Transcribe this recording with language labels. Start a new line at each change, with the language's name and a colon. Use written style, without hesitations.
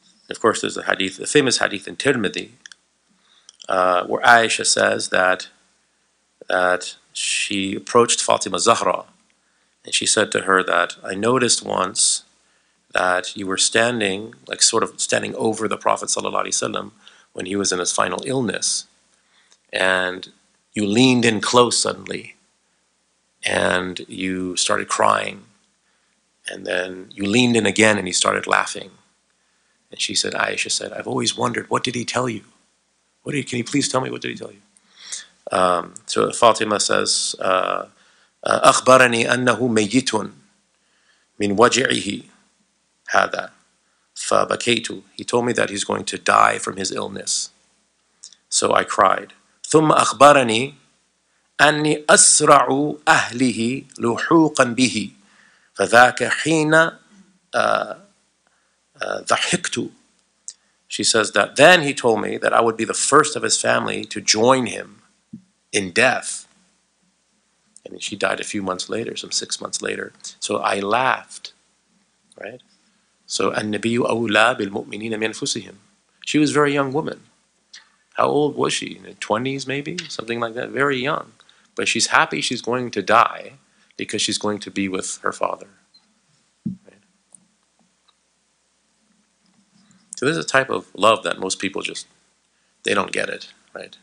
English: Of course, there's a hadith, the famous hadith in Tirmidhi, where Aisha says that she approached Fatima Zahra, and she said to her that, "I noticed once that you were standing, like sort of standing over the Prophet sallallahu alaihi wasallam when he was in his final illness, and you leaned in close suddenly, and you started crying, and then you leaned in again, and you started laughing." And she said, Aisha said, "I've always wondered, what did he tell you? Can you please tell me, what did he tell you?" So Fatima says,
Arabic: "أخبرني أنه ميت من وجعه هذا فبكيت."
English: He told me that he's going to die from his illness, so I cried.
Arabic: "ثم أخبرني أني أسرع أهله لحوقا به فذاك حين ضحكت."
English: She says that then he told me that I would be the first of his family to join him in death. And she died a few months later, some 6 months later. So I laughed, right?
Arabic: So النبي أولى بالمؤمنين من أنفسهم.
English: She was a very young woman. How old was she? In her 20s maybe? Something like that. Very young. But she's happy she's going to die because she's going to be with her father. So this is a type of love that most people just, they don't get it, right?